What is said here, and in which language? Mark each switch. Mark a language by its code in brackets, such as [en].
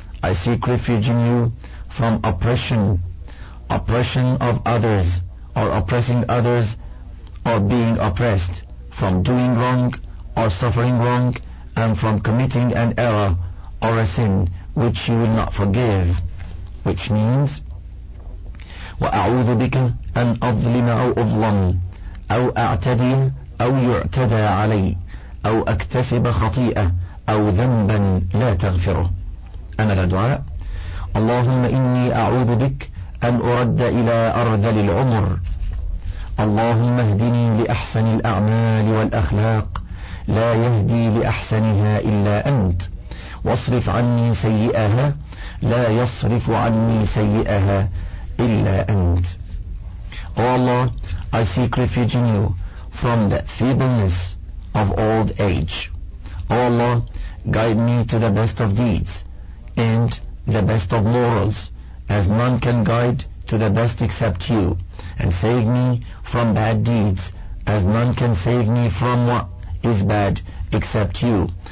[en] I seek refuge in you from oppression of others, or oppressing others, or being oppressed, from doing wrong or suffering wrong, and from committing an error or a sin which you will not forgive. Which means, [ar] wa a'udhu bika an adlima aw adlam aw a'tadi aw yu'tada alay aw aktasiba khati'a أو ذنبا لا تغفره. أنا لا دعاء. اللهم إني أعوذ بك أن أرد إلى أرذل العمر. اللهم اهدني لأحسن الأعمال والأخلاق، لا يهدي لأحسنها إلا أنت. واصرف عني سيئها، لا يصرف عني سيئها إلا أنت. [en] O Allah, I seek refuge in you from the feebleness of old age. O Allah, guide me to the best of deeds and the best of morals, as none can guide to the best except you, and save me from bad deeds, as none can save me from what is bad except you.